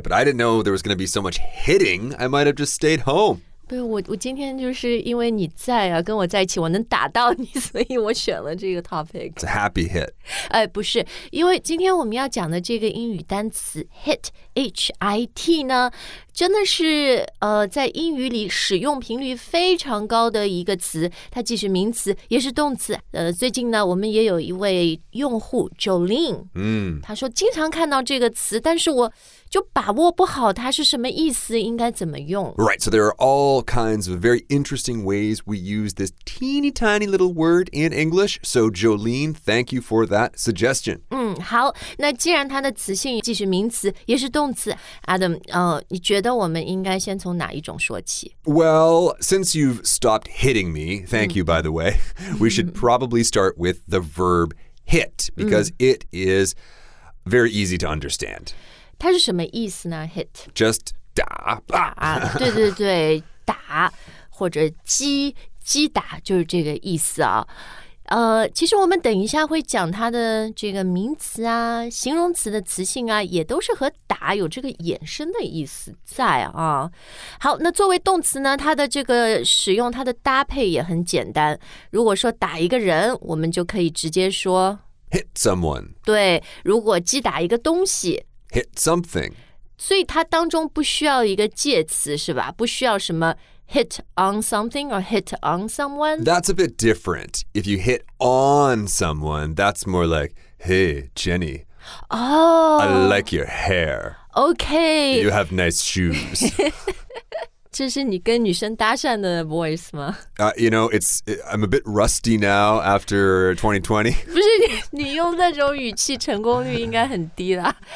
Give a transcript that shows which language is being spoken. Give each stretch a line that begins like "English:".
English: But I didn't know there was going to be so much hitting. I might have just stayed home.
Chinese: 对，我今天就是因为你在啊，跟我在一起，我能打到你，所以我选了这个 topic.
English: It's a happy hit.
Chinese: 哎，不是，因为今天我们要讲的这个英语单词 hit, H-I-T 呢，真的是在英语里使用频率非常高的一个词，它既是名词也是动词。最近呢，我们也有一位用户 Jolene， 他说经常看到这个词，但是我就把握不好它是什么意思，应该怎么用。
English: Right, so there are all kinds of very interesting ways we use this teeny tiny little word in English. So Jolene, thank you for that suggestion.
Chinese: 好，那既然它的词性既是名词也是动词 ，Adam， 你觉得我们应该先从哪一种说起
English: ？Well, since you've stopped hitting me, thank you, by the way, we should probably start with the verb hit because it is very easy to understand.
Chinese: 它是什么意思呢 ？Hit just 打打，对对对，打或者击击打就是这个意思啊。其实我们等一下会讲它的这个名词啊形容词的词性啊也都是和打有这个衍生的意思在啊。好，那作为动词呢它的这个使用它的搭配也很简单。如果说打一个人我们就可以直接说
English: Hit someone.
Chinese: 对，如果击打一个东西
English: Hit something.
Chinese: 所以它当中不需要一个介词是吧，不需要什么
English: Hit on something or hit on someone? That's a bit different. If you hit on someone, that's more like, hey, Jenny. Oh. I like your hair. Okay. You have nice shoes.
Chinese: 这是你跟女生搭讪的 voice 吗？
English: You know, I'm a bit rusty now after 2020.
Chinese: 不是你用那种语气成功率应该很低啦。